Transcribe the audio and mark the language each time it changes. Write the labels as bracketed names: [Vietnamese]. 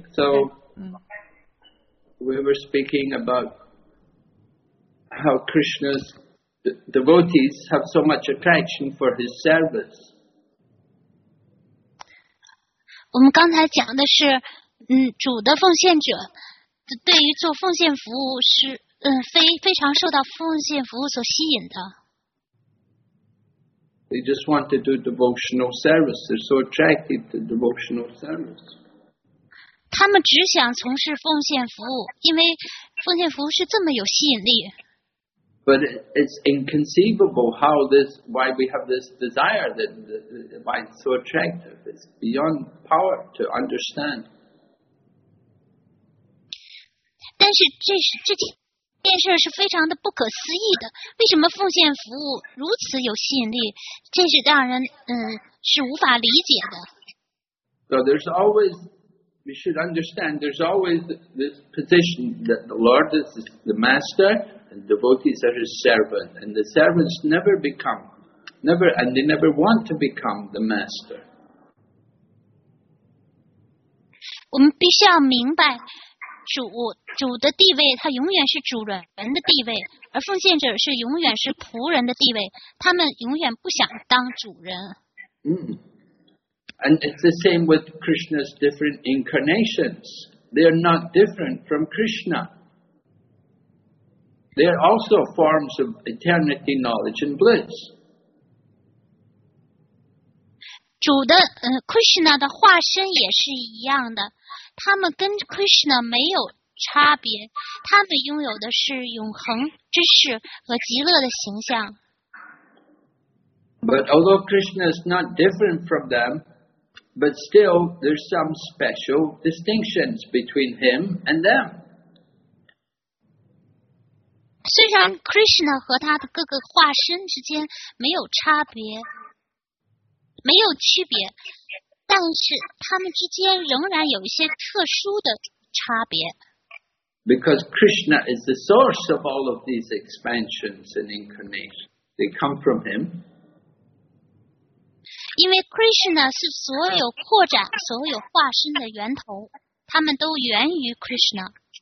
[English] So, we were speaking about how Krishna's devotees have so much attraction for his service. [Chinese] 我们刚才讲的是，主的奉献者对于做奉献服务是，非常受到奉献服务所吸引的。 [English] They just want to do devotional service. They're so attracted to devotional service. [Chinese] 他们只想从事奉献服务，因为奉献服务是这么有吸引力。 [English] But it's inconceivable how this, why we have this desire, that why it's so attractive. It's beyond power to understand. [Chinese] 但是这件事是非常的不可思议的。为什么奉献服务如此有吸引力？这是让人是无法理解的。 [English] So there's always, we should understand. There's always this position that the Lord is the master, and devotees are his servant, and the servants never become, never, and they never want to become the master. [Chinese] 我们必须要明白。主的地位，他永远是主人的地位，而奉献者是永远是仆人的地位，他们永远不想当主人。 [English] And it's the same with Krishna's different incarnations. They are not different from Krishna. They are also forms of eternity knowledge and bliss. [Chinese] 主的Krishna 的化身也是一样的。他们跟 Krishna 没有差别，他们拥有的是永恒之事和极乐的形象。 [English] But although Krishna is not different from them, but still there's some special distinctions between him and them. [Chinese] 虽然 Krishna 和他的各个化身之间没有差别，没有区别。但是他们之间仍然有一些特殊的差别。 [English] Because Krishna is the source of all of these expansions and incarnations. They come from him. [Chinese] 因为 Krishna 是所有扩展、所有化身的源头，他们都源于 Krishna.